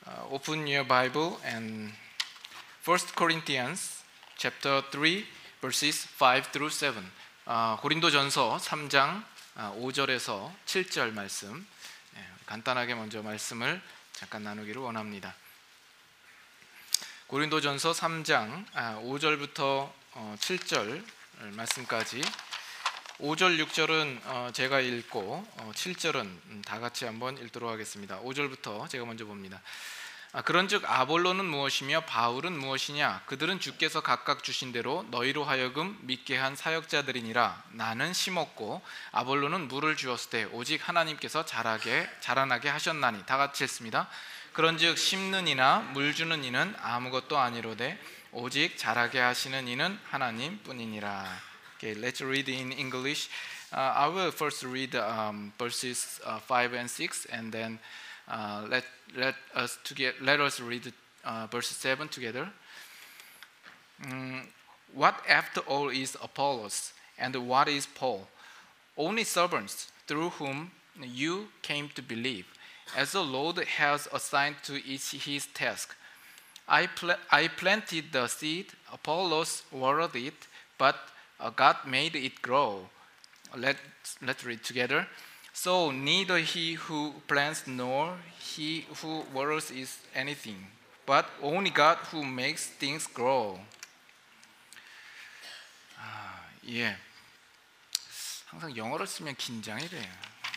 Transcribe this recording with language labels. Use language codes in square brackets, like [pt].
[en] Open your Bible and 1 Corinthians chapter 3 verses 5 through 7. [ko] 고린도전서 3장 5절에서 7절 말씀. 예, 간단하게 먼저 말씀을 잠깐 나누기를 원합니다. 고린도전서 3장 5절부터 7절 말씀까지. 5절, 6절은 제가 읽고 7절은 다 같이 한번 읽도록 하겠습니다. 5절부터 제가 먼저 봅니다. 그런즉 아볼로는 무엇이며 바울은 무엇이냐? 그들은 주께서 각각 주신 대로 너희로 하여금 믿게 한 사역자들이니라. 나는 심었고 아볼로는 물을 주었을 때 오직 하나님께서 자라나게 하셨나니. 다 같이 했습니다. 그런즉 심는 이나 물 주는 이는 아무것도 아니로되 오직 자라게 하시는 이는 하나님뿐이니라. [en] Okay, let's read in English. I will first read verses 5 and 6 and then let us read verse 7 together. What after all is Apollos, and what is Paul? Only servants through whom you came to believe, as the Lord has assigned to each his task. I planted the seed, Apollos watered it, but God made it grow. Let's read together. So neither he who plants nor he who waters is anything, but only God who makes things grow. [ko] 아, 예. 항상 영어를 쓰면 긴장이 돼요.